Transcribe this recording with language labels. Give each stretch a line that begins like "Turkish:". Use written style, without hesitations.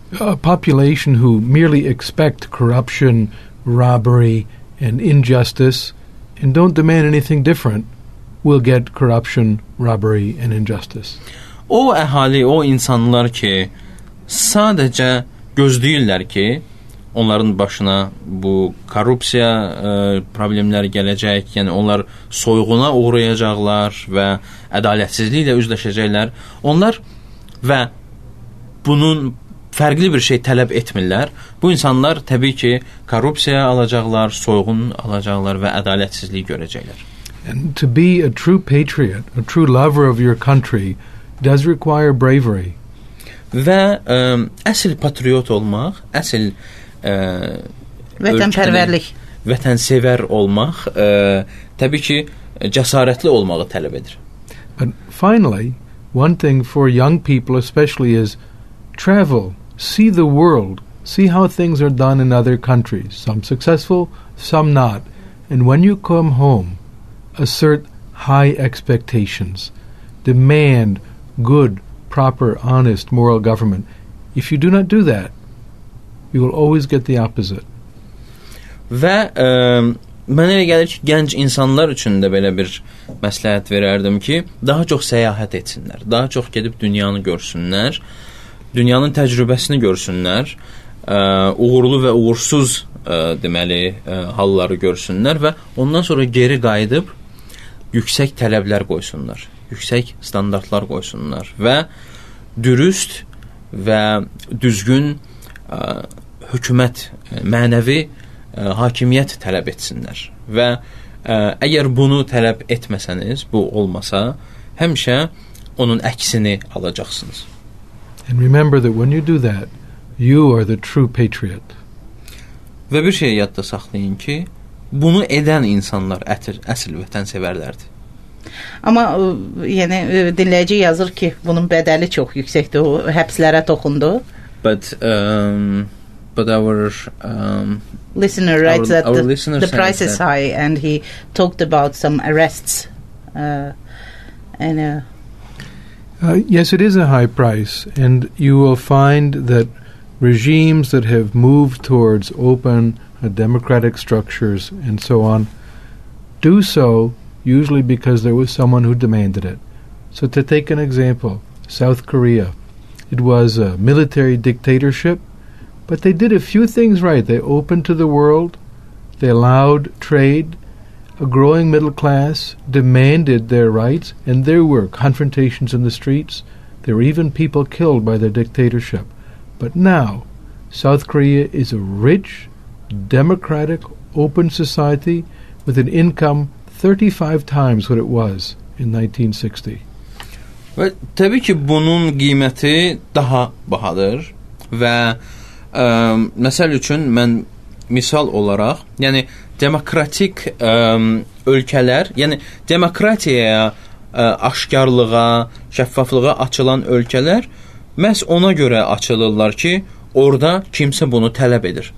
English: A population who merely expect corruption, robbery and injustice and don't demand anything different will get corruption, robbery and injustice.
Azerbaijani: O əhali, o insanlar ki, sadəcə gözləyirlər ki, onların başına bu korrupsiya problemləri gələcək, yəni onlar soyğuna uğrayacaqlar və ədalətsizliklə üzləşəcəklər. Onlar və bunun fərqli bir şey tələb etmirlər. Bu insanlar təbii ki, korrupsiya alacaqlar, soyğun alacaqlar və ədalətsizliyi görəcəklər.
English: And to be a true patriot, a true lover of your country does require bravery.
Azerbaijani: Və əsl patriot olmaq, əsl vətənpərvərlik, vətənsevər olmaq təbii ki, cəsarətli olmağı tələb edir.
English: But finally, one thing for young people especially is travel, see the world, see how things are done in other countries, some successful, some not. And when you come home, assert high expectations, demand good, proper, honest, moral government. If you do not do that, you will always get the opposite.
Azerbaijani: Və mənə elə gəlir ki, gənc insanlar üçün də belə bir məsləhət verərdim ki, daha çox səyahət etsinlər, daha çox gedib dünyanı görsünlər, dünyanın təcrübəsini görsünlər, uğurlu və uğursuz deməli halları görsünlər və ondan sonra geri qayıdıb yüksək tələblər qoysunlar, yüksək standartlar qoysunlar və dürüst və düzgün hökumət, mənəvi hakimiyyət tələb etsinlər və əgər bunu tələb etməsəniz, bu olmasa, həmişə onun əksini alacaqsınız.
English: And remember that when you do that, you are the true patriot.
Azerbaijani: Və bir şey yadda saxlayın ki, bunu edən insanlar əsl vətənsevərlərdir. Amma yəni dinləyici yazır ki, bunun bədəli çox yüksəkdir, o həbslərə toxundu.
English: But our listener writes that the price is high and he talked about some arrests. Yes, it is a high price, and you will find that regimes that have moved towards open democratic structures and so on do so usually because there was someone who demanded it. So to take an example, South Korea. It was a military dictatorship, but they did a few things right. They opened to the world, they allowed trade, a growing middle class demanded their rights, and there were confrontations in the streets. There were even people killed by the dictatorship. But now, South Korea is a rich, democratic, open society with an income 35 times what it was in 1960.
Azerbaijani: Və təbii ki, bunun qiyməti daha bahadır və məsəl üçün mən misal olaraq, yəni demokratik ölkələr, yəni demokratiyaya, aşkarlığa, şəffaflığa açılan ölkələr məhz ona görə açılırlar ki, orada kimsə bunu tələb edir.